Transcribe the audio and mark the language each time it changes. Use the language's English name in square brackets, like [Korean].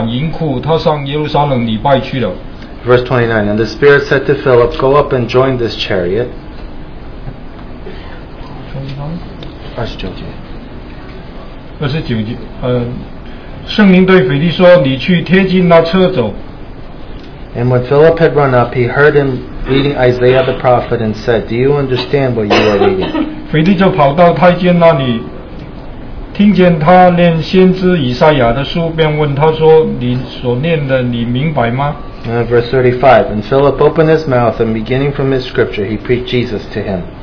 [Chinese] 那路是旷野，腓力就起身去了，不料有一个埃提阿伯人，是个有大权的太监，在埃提阿伯女王甘达基的手下，总管银库，他上耶路撒冷礼拜去了。 [English] Verse 29, And the Spirit said to Philip, Go up and join this chariot. [Chinese] 29节，圣灵对腓力说，你去贴近那车走。 [English] And when Philip had run up, he heard him reading Isaiah the prophet and said, Do you understand what you are reading? [Chinese] 腓力就跑到太监那里，听见他念先知以赛亚的书，便问他说，你所念的你明白吗？ [English] Verse 35, And Philip opened his mouth, and beginning from his scripture, he preached Jesus to him.